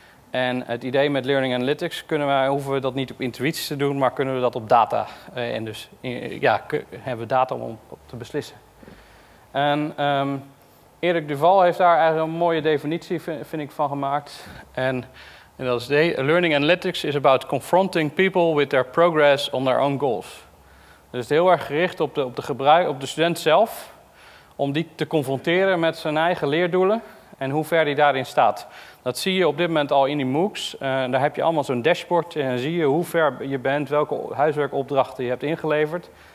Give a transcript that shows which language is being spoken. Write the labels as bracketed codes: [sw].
[nl] En het idee met Learning Analytics, hoeven we dat niet op intuïtie te doen, maar kunnen we dat op data. Hebben we data om te beslissen. Erik Duval heeft daar eigenlijk een mooie definitie, vind ik, van gemaakt. En En dat is [en] Learning Analytics is about confronting people with their progress on their own goals. [nl] Dus het is heel erg gericht op de student zelf, om die te confronteren met zijn eigen leerdoelen en hoe ver die daarin staat. Dat zie je op dit moment al in die MOOCs. Daar heb je allemaal zo'n dashboard en zie je hoe ver je bent, welke huiswerkopdrachten je hebt ingeleverd.